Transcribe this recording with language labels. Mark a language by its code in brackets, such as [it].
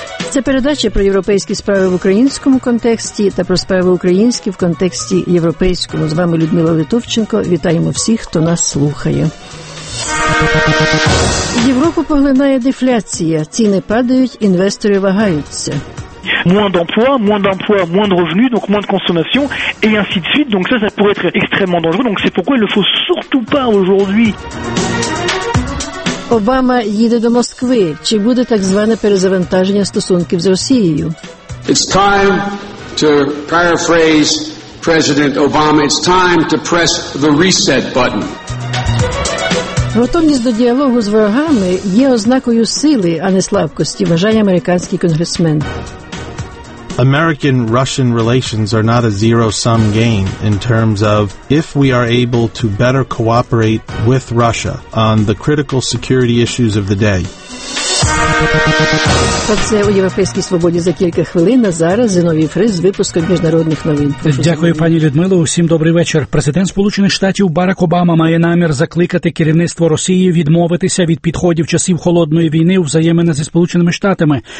[uk] Це передача про європейські справи в українському контексті та про справи українські в контексті європейському. З вами Людмила Литовченко. Вітаємо всіх, хто нас слухає. Європу поглинає дефляція. Ціни падають, інвестори вагаються. [fr] Moins d'emplois, moins d'emplois, moins de revenus, donc moins de consommation, et ainsi de suite. Donc ça pourrait être extrêmement dangereux. Donc c'est pourquoi il ne faut surtout pas aujourd'hui. [uk] Обама їде до Москви. Чи буде так зване перезавантаження стосунків з Росією? [en] It's time to paraphrase President Obama. It's time to press the reset button. [uk] Готовність до діалогу з ворогами є ознакою сили, а не слабкості, вважає американський конгресмен. [en] American-Russian relations are not a zero-sum game in terms of if we are able to better cooperate with Russia on the critical security issues of the day. [uk] Це у Європейській свободі за кілька хвилин. А зараз Зіновій Фріс з випуском міжнародних новин. Дякую, пані Людмило. Усім добрий вечір. Президент Сполучених Штатів Барак Обама має намір закликати керівництво Росії відмовитися від підходів часів холодної війни у взаємини зі Сполученими Штатами.